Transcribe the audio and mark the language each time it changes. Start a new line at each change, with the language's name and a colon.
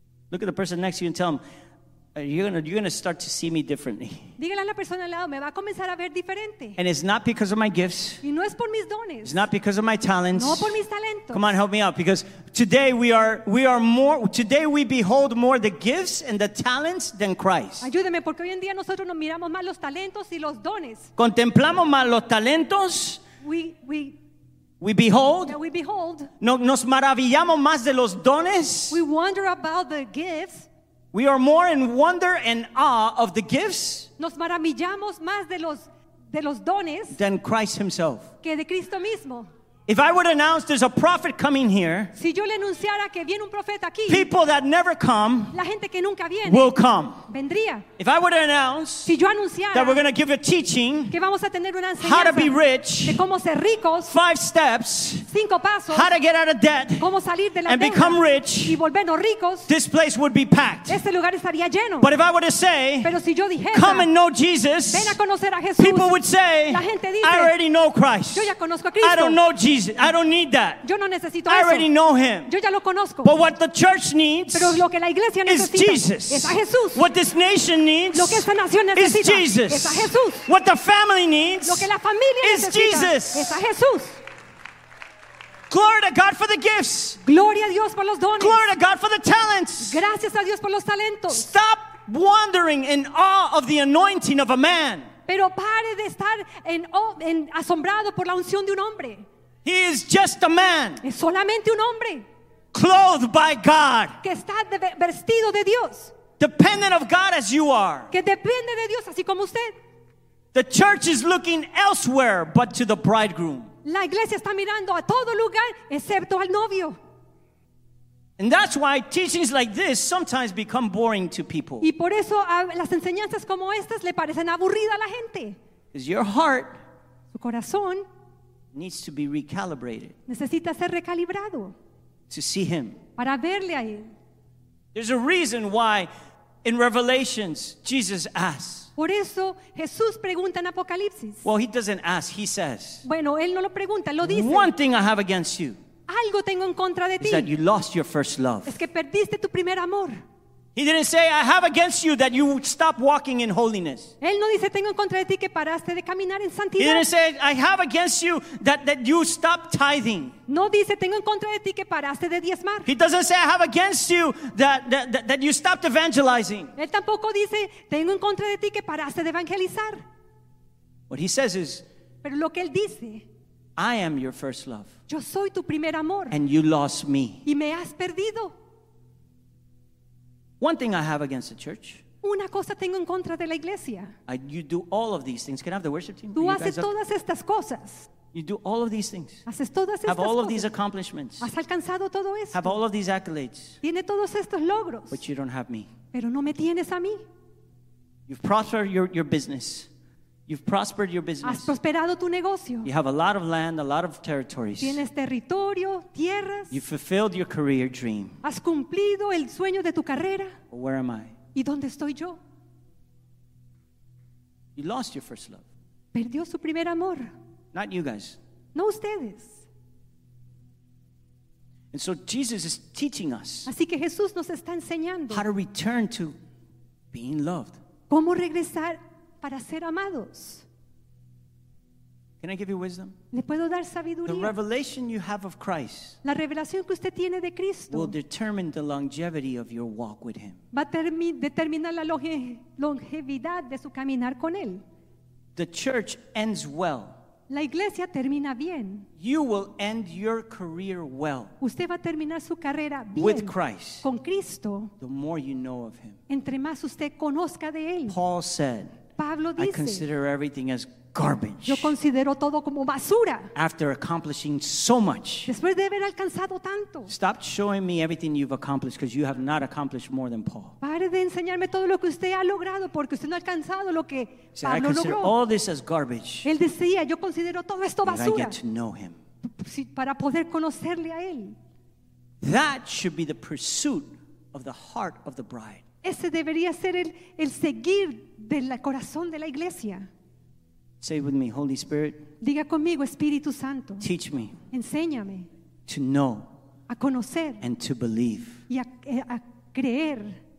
English: Look at the person next to you and tell him, you're gonna start to see me differently.
Spanish: Dígale a la persona al lado, me va a comenzar a ver diferente.
English: And it's not because of my gifts.
Spanish: Y no es por mis dones.
English: It's not because of my talents.
Spanish: No por mis talentos.
English: Come on, help me out, because today we are more. Today we behold more the gifts and the talents than Christ.
Spanish: Ayúdeme, porque hoy en día nosotros nos miramos más los talentos y los dones. Contemplamos más los talentos.
English: We behold. We behold.
Spanish: No, nos maravillamos más de los dones.
English: We wonder about the gifts. We are more in wonder and awe of the gifts.
Spanish: Nos maravillamos más de los dones
English: than Christ himself.
Spanish: Que de Cristo mismo.
English: If I would announce there's a prophet coming here,
Spanish: si yo le anunciara que viene un profeta aquí,
English: people that never come,
Spanish: la gente que nunca viene,
English: will come.
Spanish: Vendría.
English: If I would announce,
Spanish: si yo anunciara
English: that we're going to give a teaching,
Spanish: que vamos a tener una enseñanza,
English: how to be rich,
Spanish: de cómo ser ricos,
English: 5 steps,
Spanish: 5 pasos,
English: how to get out of debt,
Spanish: cómo salir de la
English: and
Spanish: deuda,
English: become rich,
Spanish: y volvernos ricos,
English: this place would be packed.
Spanish: Este lugar estaría lleno.
English: But if I were to say,
Spanish: pero si yo dijera,
English: come and know Jesus,
Spanish: ven a conocer a Jesús,
English: people would say,
Spanish: la gente dice,
English: I already know Christ.
Spanish: Yo ya conozco a Cristo.
English: I don't know Jesus. I don't need that.
Spanish: Yo no necesito
English: I already
Spanish: eso.
English: Know him.
Spanish: Yo ya lo conozco.
English: But what the church needs,
Spanish: pero lo que la iglesia
English: is Jesus.
Spanish: Es a Jesús.
English: What this nation needs,
Spanish: lo que esta nación necesita,
English: is Jesus.
Spanish: Es a Jesús.
English: What the family needs,
Spanish: lo que la familia
English: is
Spanish: necesita,
English: Jesus.
Spanish: Es a Jesús.
English: Glory to God for the gifts.
Spanish: Gloria a Dios por los dones.
English: Glory to God for the talents.
Spanish: Gracias a Dios por los talentos.
English: Stop wondering in awe of the anointing of a man.
Spanish: Pero pare de estar en asombrado por la unción de un hombre.
English: He is just a man.
Spanish: Es solamente un hombre.
English: Clothed by God.
Spanish: Que está vestido de Dios.
English: Dependent of God as you are.
Spanish: Que depende de Dios así como usted.
English: The church is looking elsewhere but to the bridegroom.
Spanish: La iglesia está mirando a todo lugar excepto al novio.
English: And that's why teachings like this sometimes become boring to people.
Spanish: Y por eso las enseñanzas como estas le parecen aburridas a la gente.
English: Is your heart?
Spanish: Su corazón.
English: Needs to be recalibrated.
Spanish: Necesita ser recalibrado.
English: To see him.
Spanish: Para verle a él.
English: There's a reason why in Revelations Jesus asks.
Spanish: Por eso Jesús pregunta en Apocalipsis.
English: Well, he doesn't ask, he says.
Spanish: Bueno, él no lo pregunta, lo dice.
English: One thing I have against you.
Spanish: Algo tengo en contra de ti.
English: Is that you lost your first love.
Spanish: Es que perdiste tu primer amor.
English: He didn't say, I have against you that you stop walking in holiness.
Spanish: Él no dice, tengo en contra de ti que paraste de caminar en santidad.
English: He didn't say, I have against you that you stop tithing.
Spanish: No dice, tengo en contra de ti que paraste de diezmar.
English: He doesn't say, I have against you that you stopped evangelizing.
Spanish: Él tampoco dice, tengo en contra de ti que paraste de evangelizar.
English: What he says is,
Spanish: pero lo que él dice,
English: I am your first love.
Spanish: Yo soy tu primer amor.
English: And you lost me.
Spanish: Y me has perdido.
English: One thing I have against the church.
Spanish: Una cosa tengo en contra de la iglesia.
English: You do all of these things. Can I have the worship team?
Spanish: Tú haces todas estas cosas.
English: You do all of these things.
Spanish: Haces todas estas cosas.
English: Have all of these accomplishments.
Spanish: Has alcanzado todo esto.
English: Have all of these accolades.
Spanish: Tiene todos estos logros.
English: But you don't have me.
Spanish: Pero no me tienes a mí.
English: You've prospered your business. You've prospered your business.
Spanish: Has prosperado tu negocio.
English: You have a lot of land, a lot of territories.
Spanish: Tienes territorio, tierras.
English: You've fulfilled your career dream.
Spanish: Has cumplido el sueño de tu carrera.
English: Where am I?
Spanish: ¿Y dónde estoy yo?
English: You lost your first love.
Spanish: Perdió su primer amor.
English: Not you guys.
Spanish: No ustedes.
English: And so Jesus is teaching us.
Spanish: Así que Jesús nos está enseñando.
English: How to return to being loved.
Spanish: ¿Cómo regresar para ser amados?
English: Can I give you wisdom?
Spanish: ¿Le puedo dar sabiduría?
English: The revelation you have of Christ,
Spanish: la revelación que usted tiene de Cristo,
English: will determine the longevity of your walk with him.
Spanish: Va a determinar la longevidad de su caminar con él.
English: The church ends well.
Spanish: La iglesia termina bien.
English: You will end your career well.
Spanish: Usted va a terminar su carrera bien.
English: With Christ.
Spanish: Con Cristo.
English: The more you know of him.
Spanish: Entre más usted conozca de él.
English: Paul said,
Spanish: Pablo dice,
English: I consider everything as garbage.
Spanish: Yo considero todo como basura.
English: After accomplishing so much.
Spanish: Después de haber alcanzado tanto.
English: Stop showing me everything you've accomplished because you have not accomplished more than Paul.
Spanish: Pare de enseñarme todo lo que usted ha logrado porque usted no ha alcanzado lo que Pablo logró.
English: I consider all this as garbage.
Spanish: Él decía, yo considero todo esto basura.
English: But I get to know him.
Spanish: Para poder conocerle a él.
English: That should be the pursuit of the heart of the bride.
Spanish: Ese debería ser el seguir del corazón de la iglesia.
English: Say with me, Holy Spirit.
Spanish: Diga conmigo, Espíritu Santo.
English: Teach me.
Spanish: Enséñame.
English: To know.
Spanish: A conocer.
English: And to believe.
Spanish: Y a creer.